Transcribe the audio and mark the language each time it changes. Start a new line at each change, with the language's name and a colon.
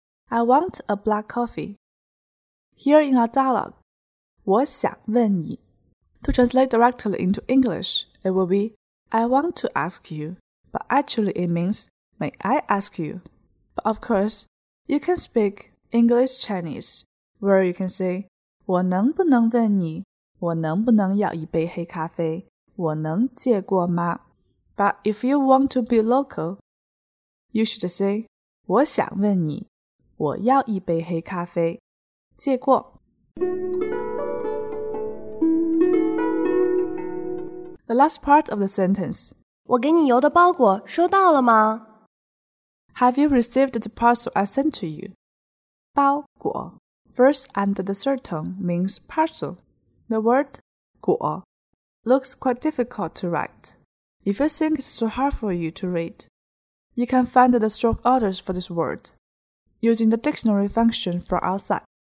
English: I want a black coffee. Here in our dialogue,
Chinese: 我想问你。
English: To translate directly into English, it will be, I want to ask you, but actually it means, May I ask you? But of course,You can speak English Chinese, where you can say,
Chinese: 我能不能问你? 我能不能要一杯黑咖啡? 我能借过吗?
English: But if you want to be local, you should say,
Chinese: 我想问你,我要一杯黑咖啡,借过。
English: The last part of the sentence.
Chinese: 我给你邮的包裹收到了吗?
English: Have you received the parcel I sent to you? 包裹 First and the third tone means parcel. The word 果 looks quite difficult to write. If you think it's too hard for you to read, you can find the stroke orders for this word using the dictionary function from outside.